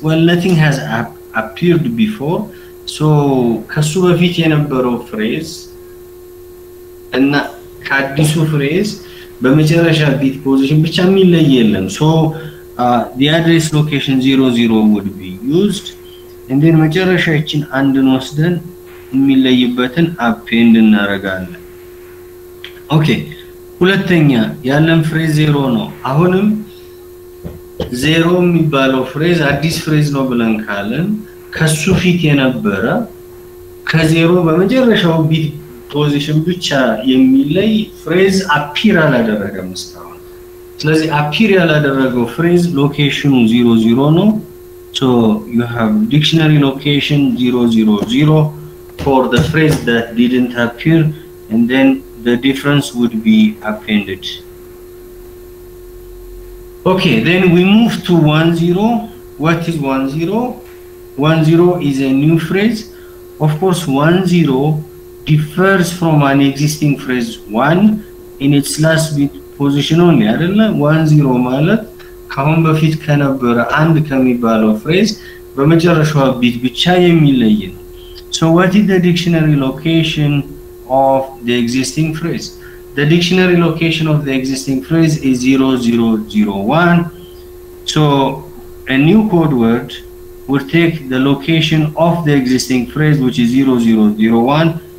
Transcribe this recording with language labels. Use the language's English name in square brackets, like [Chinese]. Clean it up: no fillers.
[English] Well, nothing has appeared before, so [Amharic] ከሱ በፊት የነበረው phrase እና ከአዲሱ phrase በመጨረሻ bit position ብቻ የሚለይ የለም. [English] So the address location 00 would be used, and then [Amharic] መጨረሻችን አንድ ነው ስለን የሚለይበትን append እናረጋለን. Okay, ሁለተኛ ያለን phrase 0 ነው. አሁንም 0 የሚባለው phrase አዲስ phrase ነው ብለን ካለን ከሱ ፊት የነበረ ከዜሮ በመጀረሻው ቢት ፖዚሽን ብቻ የሚለይ ፍሬዝ አፒር አላደረገ መስታወት። ስለዚህ አፒር ያላደረገው ፍሬዝ ሎኬሽኑ 00 ነው. [English] ሶ ዩ ሃቭ ዲክሽነሪ ሎኬሽን 000 ፎር ዘ ፍሬዝ ዳት ዲድንት አፒር ኤንድ ዴን ዘ ዲፈረንስ ውድ ቢ አፔንድድ. ኦኬ, ዴን ዊ ሙቭ ቱ 10. ዋት ኢዝ 10? 10 is a new phrase. Of course, 10 differs from an existing phrase 1 in its last bit position only. [Amharic] 10 ማለት ከአሁን በፊት ከነበረ አንድ ከሚባለው phrase በመጨረሻው bit ብቻ የሚለይ ነው. [English] So what is the dictionary location of the existing phrase? The dictionary location of the existing phrase is 0001. So a new code word would take the location of the existing phrase, which is 0001,